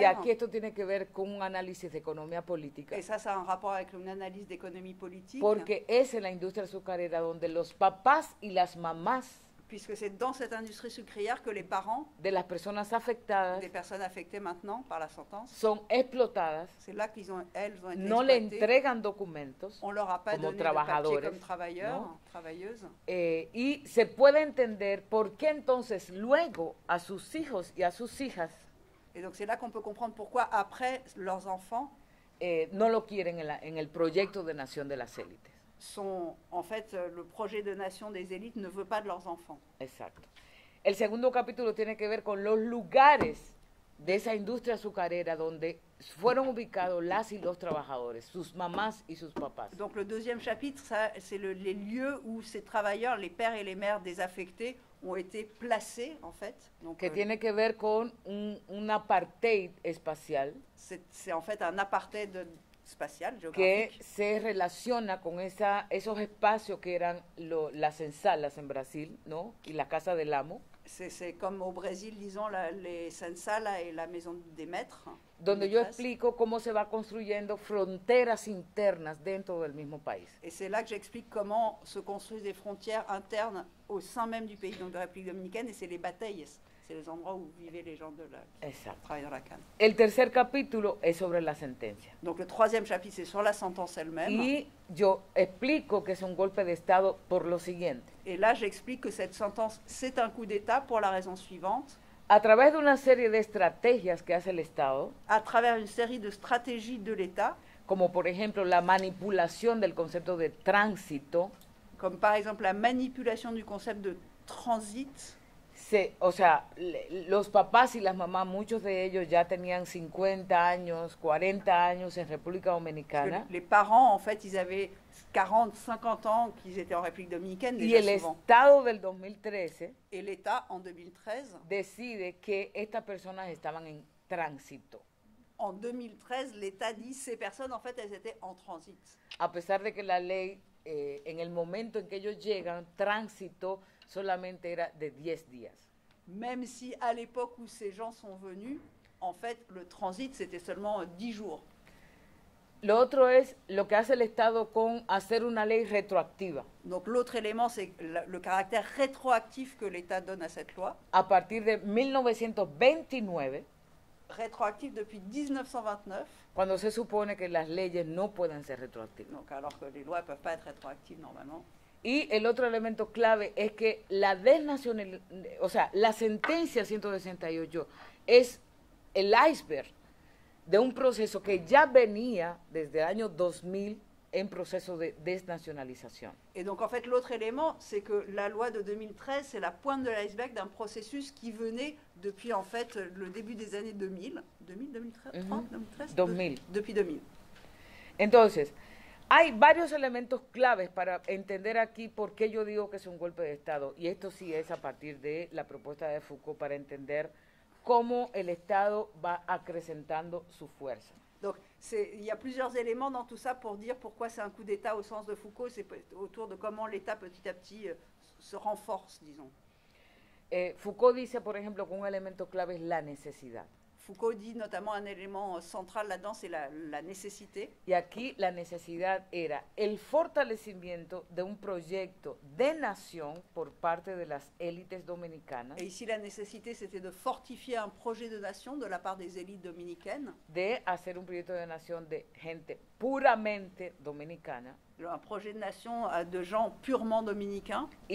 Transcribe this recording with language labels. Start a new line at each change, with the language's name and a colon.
Spanish: Y aquí esto tiene que ver con un análisis de economía política.
French: Et ça, ça a un rapport avec une analyse d'économie politique.
Spanish: Porque es en la industria azucarera era donde los papás y las mamás,
French: puisque c'est dans cette industrie sucrière que les parents
Spanish: de las personas afectadas,
French: des personnes affectées maintenant par la sentence,
Spanish: sont explotadas.
French: C'est là qu'ils ont, elles ont été
Spanish: no le entregan documentos,
French: on leur a pas
Spanish: como
French: donné trabajadores, comme travailleurs, no? Travailleuses.
Spanish: Y se puede entender por qué entonces luego a sus hijos y a sus hijas,
French: et donc c'est là qu'on peut comprendre pourquoi après leurs enfants,
Spanish: no lo quieren en el proyecto de nación de las élites.
French: Sont, en fait, le projet de nation des élites ne veut pas de leurs enfants. Exact.
Spanish: El segundo capítulo tiene que ver con los lugares de esa industria azucarera donde fueron ubicados las y los trabajadores, sus mamás y sus papás.
French: Donc le deuxième chapitre, ça, c'est le, les lieux où ces travailleurs, les pères et les mères désaffectés, ont été placés, en fait. Donc,
Spanish: que tiene que ver con un apartheid espacial.
French: C'est en fait un apartheid de, spatial,
Spanish: que se relaciona con esa, esos espacios que eran lo, las ensalas en Brasil, ¿no? Y la casa del amo.
French: C'est comme au Brésil, disons, la, les ensalas et la maison des maîtres.
Spanish: Donde yo explico cómo se va construyendo fronteras internas dentro del mismo país.
French: Et c'est là que j'explique comment se construisent des frontières internes au sein même du pays, donc de la République Dominicaine, et c'est les batailles. C'est les endroits où vivaient les gens de la,
Spanish: exacto,
French: travaillent dans la canne.
Spanish: El tercer capítulo es sobre la sentencia.
French: Donc le troisième chapitre, c'est sur la sentence elle-même.
Spanish: Y yo explico que es un golpe de Estado por lo siguiente.
French: Et là, j'explique que cette sentence, c'est un coup d'État pour la raison suivante.
Spanish: A través de una serie de estrategias que hace el Estado.
French: À travers une série de stratégies de l'État.
Spanish: Como por ejemplo la manipulación del concepto de tránsito.
French: Comme par exemple la manipulation du concept de transit.
Spanish: Sí, o sea, los papás y las mamás, muchos de ellos ya tenían 50 años, 40 años en República Dominicana.
French: Les parents, en fait, ils avaient 40, 50 ans qu'ils étaient en République Dominicaine déjà.
Spanish: Y el Estado del 2013.
French: Et l'État en 2013.
Spanish: Decide que estas personas estaban en tránsito.
French: En 2013, l'État dit ces personnes, en fait, elles étaient en transit.
Spanish: A pesar de que la ley, en el momento en que ellos llegan, tránsito solamente era de 10 días.
French: Même si à l'époque où ces gens sont venus, en fait, le transit c'était seulement 10 jours.
Spanish: Lo otro es lo que hace el Estado con hacer una ley retroactiva.
French: Donc l'autre élément c'est le caractère rétroactif que l'État donne à cette loi.
Spanish: A partir de 1929.
French: Rétroactif depuis 1929.
Spanish: Cuando se supone que las leyes no pueden ser retroactivas.
French: Donc alors que les lois peuvent pas être rétroactives normalement.
Spanish: Y el otro elemento clave es que la desnacionalización, o sea, la sentencia 168 es el iceberg de un proceso que ya venía desde el año 2000 en proceso de desnacionalización.
French: Et donc en fait l'autre élément c'est que la loi de 2013 c'est la pointe de l'iceberg d'un processus qui venait depuis en fait le début des années 2000, 2000, 2013, 2013, 2000. Depuis 2000.
Spanish: Entonces, Hay varios elementos claves para entender aquí por qué yo digo que es un golpe de Estado, y esto sí es a partir de la propuesta de Foucault para entender cómo el Estado va acrecentando su fuerza.
French: Donc, il y a plusieurs éléments dans tout ça pour dire pourquoi c'est un coup d'État au sens de Foucault, c'est autour de comment l'État petit à petit se renforce, disons.
Spanish: Foucault dice, por ejemplo, que un elemento clave es la necesidad.
French: Foucault dit notamment un élément central là-dedans, c'est la nécessité.
Spanish: Y aquí la necesidad era el fortalecimiento de un proyecto de nación por parte de las élites dominicanas.
French: Et ici la nécessité c'était de fortifier un projet de nation de la part des élites dominicaines.
Spanish: De hacer un proyecto de nación de gente puramente dominicana.
French: Un projet de nation de gens purement dominicains.